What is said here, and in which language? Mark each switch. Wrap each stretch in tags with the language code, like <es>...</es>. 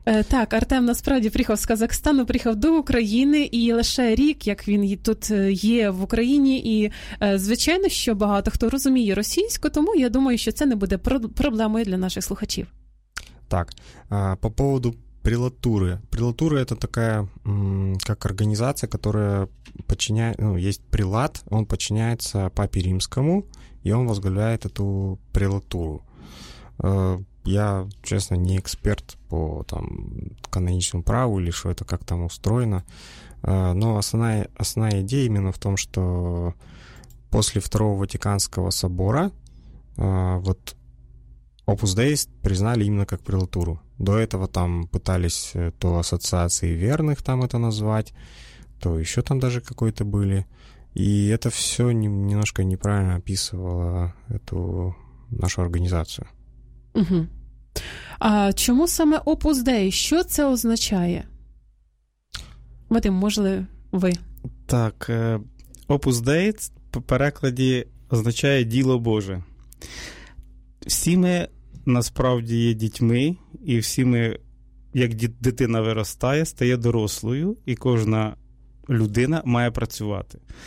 <uk>Так, Артем насправді приїхав з Казахстану, приїхав до України, і лише рік, як він тут є в Україні, і звичайно, що багато хто розуміє російську, тому я думаю, що це не буде проблемою для наших слухачів.</uk> <ru>Так, по поводу прелатури.</ru> <uk>Прелатура – це така, як організація, яка починає, ну, є прелат, він починається папі Римському,</uk> <ru>и он возглавляет эту прелатуру. Я, честно, не эксперт по там, каноничному праву или что это как там устроено, но основная идея именно в том, что после Второго Ватиканского собора вот Opus Dei признали именно как прелатуру. До этого там пытались то ассоциации верных там это назвать, то еще там даже какой-то были. И это все немножко неправильно описывало эту нашу организацию. Угу.</ru> <uk>А чому саме Opus Dei? Що це означає? Вадим, можливо, ви? Так, Opus Dei в перекладі означає «діло Боже». Всі ми насправді є дітьми, і всі ми, як дитина виростає, стає дорослою, і кожна людина має працювати.</uk>